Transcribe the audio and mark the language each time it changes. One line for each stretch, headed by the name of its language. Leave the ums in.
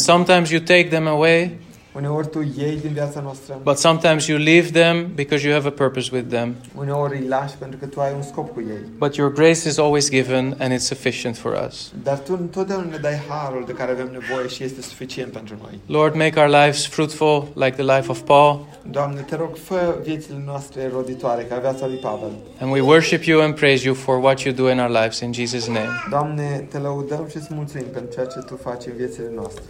English: sometimes you take them away.
Romanian: Uneori tu iei din viața noastră.
English: But sometimes you leave them because you have a purpose with them.
Romanian: Uneori îi lași pentru că tu ai un scop cu ei.
English: But your grace is always given and it's sufficient for us.
Romanian: Dar tu întotdeauna ne dai harul de care avem nevoie și este suficient pentru noi.
English: Lord, make our lives fruitful like the life of Paul.
Romanian: Doamne, te rog, fă viețile noastre roditoare ca viața lui Pavel.
English: And we worship you and praise you for what you do in our lives in Jesus name.
Romanian: Doamne, te laudăm și îți mulțumim pentru ceea ce tu faci în viețile noastre.